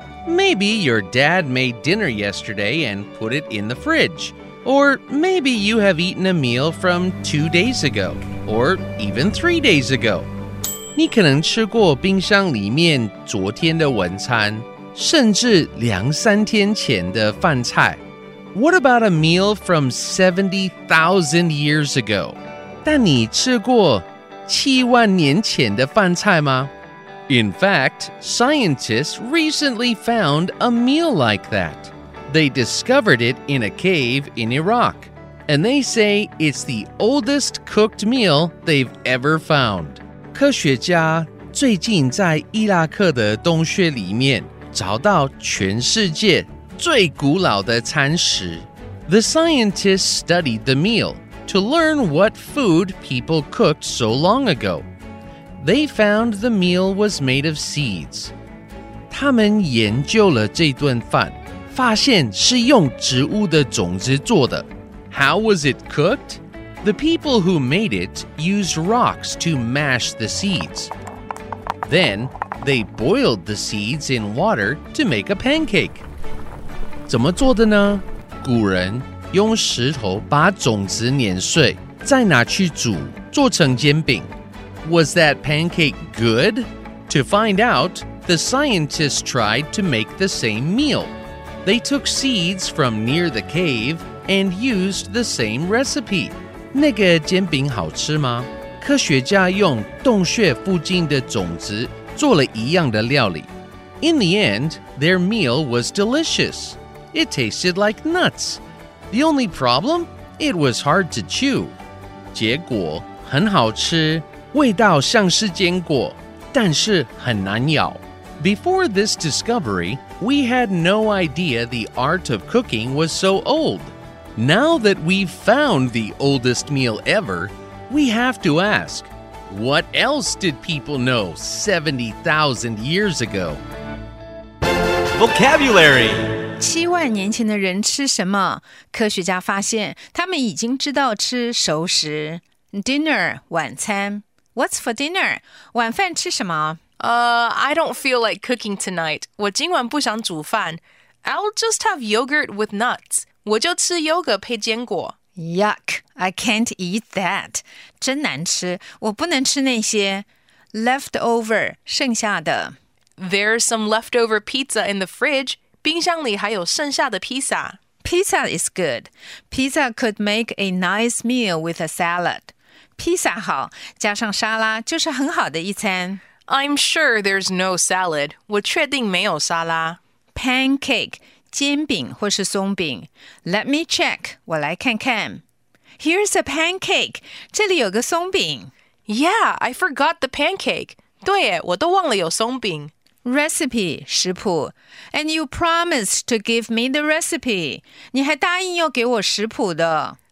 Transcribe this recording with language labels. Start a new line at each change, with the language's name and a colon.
English: Maybe your dad made dinner yesterday and put it in the fridge. Or maybe you have eaten a meal from 2 days ago. Or even 3 days ago.
Chinese: 你可能吃过冰箱里面昨天的晚餐，甚至两三天前的饭菜。
English: What about a meal from 70,000 years ago?
Chinese: 但你吃过七万年前的饭菜吗？
English: In fact, scientists recently found a meal like that. They discovered it in a cave in Iraq, and they say it's the oldest cooked meal they've ever found.
Chinese: 科学家最近在伊拉克的洞穴里面找到全世界最古老的餐食。
English: The scientists studied the meal to learn what food people cooked so long ago. They found the meal was made of seeds.
Chinese: 他们研究了这顿饭，发现是用植物的种子做的。
English: How was it cooked? The people who made it used rocks to mash the seeds. Then, they boiled the seeds in water to make a pancake.
Chinese: 怎么做的呢？古人用石头把种子碾碎，再拿去煮，做成煎饼。
English: Was that pancake good? To find out, the scientists tried to make the same meal. They took seeds from near the cave and used the same recipe.
Chinese: 那个煎饼好吃吗？科学家用洞穴附近的种子做了一样的料理。
English: In the end, their meal was delicious. It tasted like nuts. The only problem? It was hard to chew.
Chinese: 结果很好吃。味道像是坚果，但是很难咬。
English: Before this discovery, we had no idea the art of cooking was so old. Now that we've found the oldest meal ever, we have to ask, what else did people know 70,000 years ago? Vocabulary
Chinese: 七万年前的人吃什么？科学家发现，他们已经知道吃熟食。
English: Dinner,
Chinese: 晚餐。
English: What's for dinner?
Chinese: 晚饭吃什么?
English: I don't feel like cooking tonight.
Chinese: 我今晚不想煮饭。
English: I'll just have yogurt with nuts.
Chinese: 我就吃优格配坚果。
English: Yuck, I can't eat that.
Chinese: 真难吃,我不能吃那些。
English: Leftover,
Chinese: 剩下的。
English: There's some leftover pizza in the fridge.
Chinese: 冰箱里还有剩下的披萨。
English: Pizza is good. Pizza could make a nice meal with a salad.
Chinese: 披萨好，加上沙拉就是很好的一餐。
English: I'm sure there's no salad.
Chinese: 我确定没有沙拉。
English: Pancake,
Chinese: 煎饼或是松饼。
English: Let me check.
Chinese: 我来看看。
English: Here's a pancake.
Chinese: 这里有个松饼。
English: Yeah, I forgot the pancake.
Chinese: 对耶，我都忘了有松饼。
English: Recipe,
Chinese: 食谱。
English: And you promised to give me the recipe.
Chinese: 你还答应要给我食谱的。